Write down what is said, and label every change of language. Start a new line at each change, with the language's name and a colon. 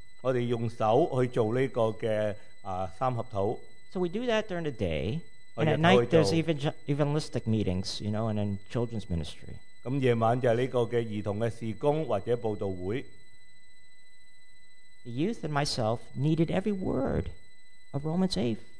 Chinese: 我们用手去做这个三合土。
English: So we do that during the day. And at night there's evangelistic meetings, you know, and then children's ministry.
Chinese: 夜晚就是这个儿童的事工或者报道会。
English: The youth and myself needed every word of Romans 8.